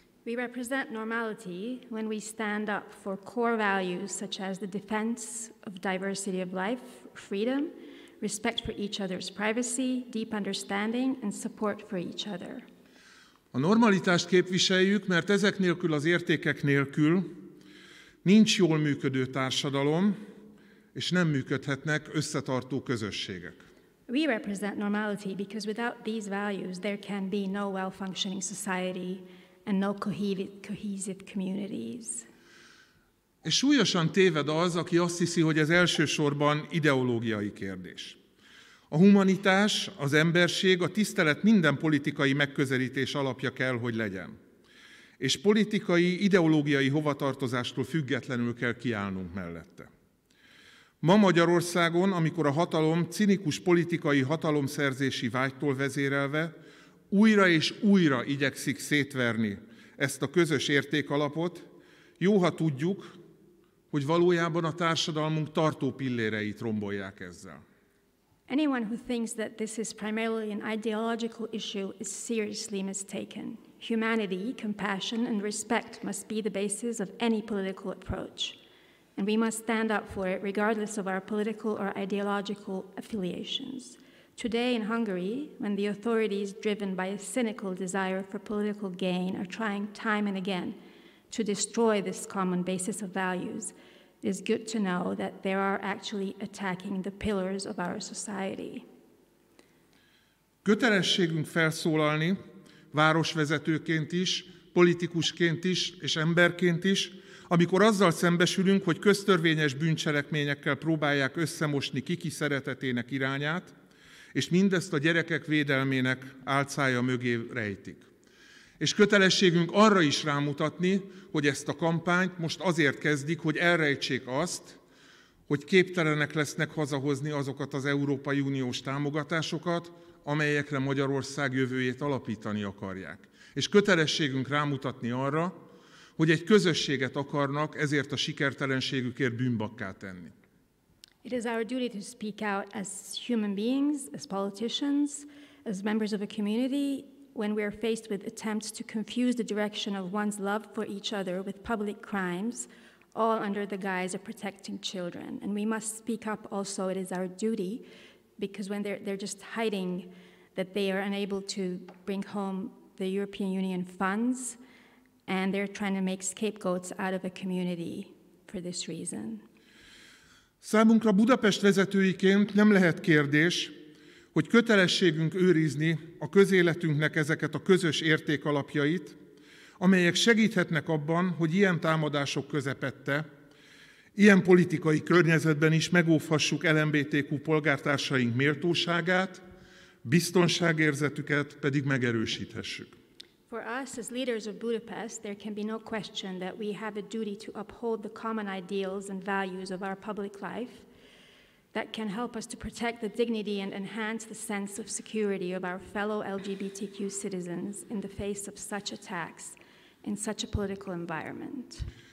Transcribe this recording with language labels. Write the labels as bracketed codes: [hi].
[en] We represent normality when we stand up for core values such as the defense of diversity of life, freedom, respect for each other's privacy, deep understanding and support for each other. [hu] A normalitást képviseljük, mert ezek nélkül, az értékek nélkül nincs jól működő társadalom, és nem működhetnek összetartó közösségek. [en] We represent normality because without these values there can be no well-functioning society and no cohesive communities. [hu] És súlyosan téved az, aki azt hiszi, hogy ez elsősorban ideológiai kérdés. A humanitás, az emberség, a tisztelet minden politikai megközelítés alapja kell, hogy legyen. És politikai, ideológiai hovatartozástól függetlenül kell kiállnunk mellette. Ma Magyarországon, amikor a hatalom cinikus politikai hatalomszerzési vágytól vezérelve, újra és újra igyekszik szétverni ezt a közös értékalapot, jó, ha tudjuk, hogy valójában a társadalmunk tartó pilléreit rombolják ezzel. [en] Anyone who thinks that this is primarily an ideological issue is seriously mistaken. Humanity, compassion and respect must be the basis of any political approach. And we must stand up for it regardless of our political or ideological affiliations. Today in Hungary, when the authorities driven by a cynical desire for political gain are trying time and again to destroy this common basis of values, it is good to know that they are actually attacking the pillars of our society. [hu] Kötelességünk felszólalni, városvezetőként is, politikusként is és emberként is, amikor azzal szembesülünk, hogy köztörvényes bűncselekményekkel próbálják összemosni kiki szeretetének irányát, és mindezt a gyerekek védelmének álcája mögé rejtik. És kötelességünk arra is rámutatni, hogy ezt a kampányt most azért kezdik, hogy elrejtsék azt, hogy képtelenek lesznek hazahozni azokat az Európai Uniós támogatásokat, amelyekre Magyarország jövőjét alapítani akarják. És kötelességünk rámutatni arra, hogy egy közösséget akarnak ezért a sikertelenségükért bűnbakká tenni. [en] It is our duty to speak out as human beings, as politicians, as members of a community, when we are faced with attempts to confuse the direction of one's love for each other with public crimes, all under the guise of protecting children. And we must speak up also, it is our duty because when they're just hiding that they are unable to bring home the European Union funds, and they're trying to make scapegoats out of a community for this reason. [hu] Számunkra Budapest vezetőiként nem lehet kérdés, hogy kötelességünk őrizni a közéletünknek ezeket a közös értékalapjait, amelyek segíthetnek abban, hogy ilyen támadások közepette, ilyen politikai környezetben is megóvhassuk LMBTQ polgártársaink méltóságát, biztonságérzetüket pedig megerősíthessük. [en] For us as leaders of Budapest, there can be no question that we have a duty to uphold the common ideals and values of our public life that can help us to protect the dignity and enhance the sense of security of our fellow LGBTQ citizens in the face of such attacks in such a political environment.